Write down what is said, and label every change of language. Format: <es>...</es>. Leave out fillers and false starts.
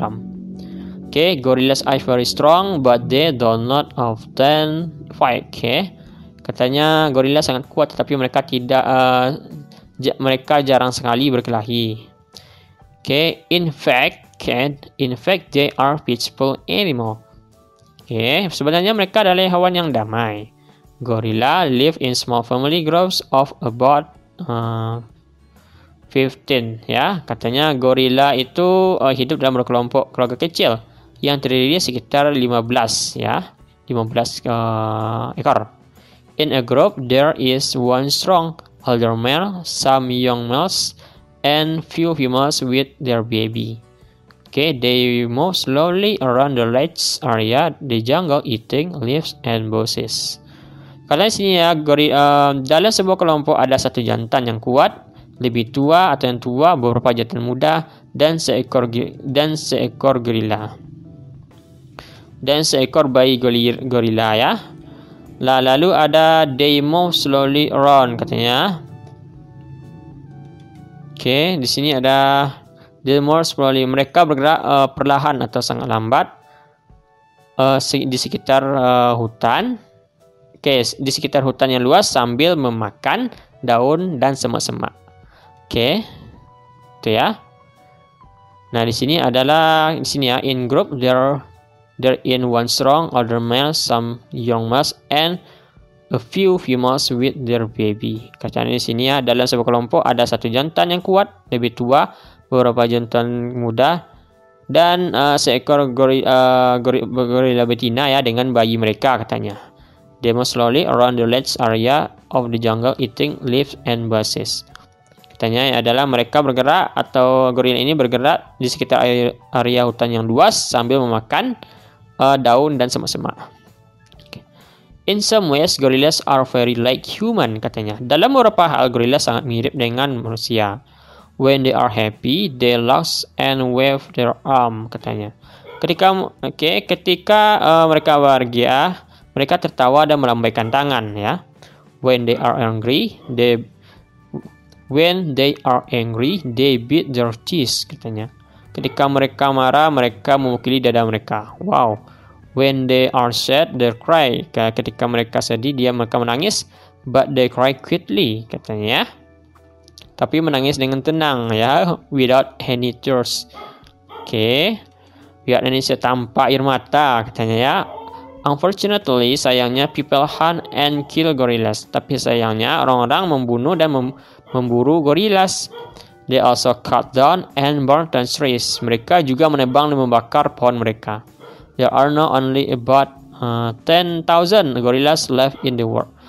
<en>Oke, okay, gorillas are very strong but they do not often fight. Oke. Okay.</en> <id>Katanya gorila sangat kuat tetapi mereka tidak mereka jarang sekali berkelahi.</id> <en>Oke, okay. In fact they are peaceful animal. Oke, okay.</en> <id>Sebenarnya mereka adalah hewan yang damai.</id> <en>Gorilla live in small family groups of about 15, ya.</en> <id>Katanya gorila itu hidup dalam kelompok keluarga kecil yang terdiri sekitar 15, ya. 15 ekor.</id> <en>In a group, there is one strong older male, some young males, and few females with their baby. Okay, they move slowly around the large area, the jungle, eating leaves and bushes.</en> <id>Karena sini ya, dalam sebuah kelompok ada satu jantan yang kuat, lebih tua atau yang tua, beberapa jantan muda, dan seekor gorila. Dan seekor bayi gorila ya. Lalu ada</id> <en>they move slowly around</en> <id>katanya. Oke, okay, di sini ada</id> <en>they move slowly.</en> <id>Mereka bergerak perlahan atau sangat lambat di sekitar hutan. Oke, okay, di sekitar hutan yang luas sambil memakan daun dan semak-semak. Oke, okay, itu ya. Nah, di sini adalah di sini ya</id> <en>in group there in one strong older male, some young males, and a few females with their baby.</en> <id>Katanya di sini ya, dalam sebuah kelompok ada satu jantan yang kuat, lebih tua, beberapa jantan muda, dan seekor gorila betina ya dengan bayi mereka katanya.</id> <en>They move slowly around the large area of the jungle, eating leaves and bushes.</en> <id>Katanya adalah mereka bergerak atau gorila ini bergerak di sekitar area hutan yang luas sambil memakan daun dan semak-semak. Okay.</id> <en>In some ways, gorillas are very like human, katanya.</en> <id>Dalam beberapa hal, gorilla sangat mirip dengan manusia.</id> <en>When they are happy, they laugh and wave their arm, katanya.</en> <id>Ketika mereka bahagia, mereka tertawa dan melambaikan tangan, ya.</id> <en>When they are angry, they beat their teeth, katanya.</en> <id>Ketika mereka marah, mereka memukuli dada mereka. Wow.</id> <en>When they are sad, they cry.</en> <id>Ketika mereka sedih, mereka menangis.</id> <en>But they cry quickly, katanya. Ya.</en> <id>Tapi menangis dengan tenang, ya.</id> <en>Without any tears. Okay. Without any tears,</en> <id>tanpa air mata,</id> <en>katanya, ya. Unfortunately,</en> <id>sayangnya,</id> <en>people hunt and kill gorillas.</en> <id>Tapi sayangnya, orang-orang membunuh dan memburu gorillas.</id> <en>They also cut down and burn the trees.</en> <id>Mereka juga menebang dan membakar pohon mereka.</id> <en>There are now only about 10,000 gorillas left in the world.</en>